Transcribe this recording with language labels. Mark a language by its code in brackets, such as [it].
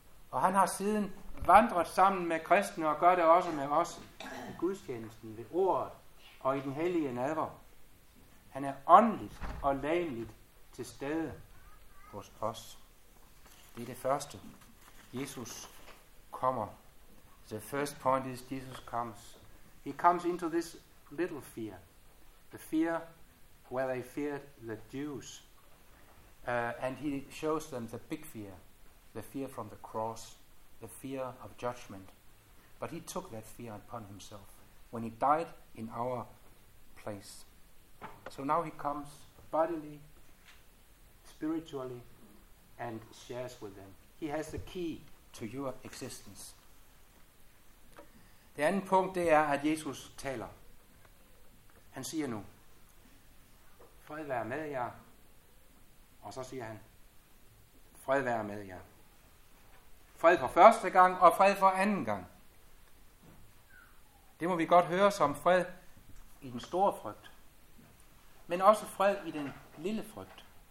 [da] Og han har siden vandret sammen med kristne og gør det også med os i gudstjenesten, ved ordet og i den hellige nadver. Han er åndeligt og lagligt til stede hos os. Det er det første. Jesus kommer. [en] The first point is Jesus comes. He comes into this little fear. The fear where they feared the Jews. And he shows them the big fear, the fear from the cross, the fear of judgment. But he took that fear upon himself when he died in our place. So now he comes bodily, spiritually, and shares with them. He has the key to your existence. [da] Det andet punkt, det er, at Jesus taler. Han siger nu, fred være med jer. Og så siger han, fred være med jer. Fred for første gang, og fred for anden gang. Det må vi godt høre som fred i den store frygt. Men også fred i den lille frygt.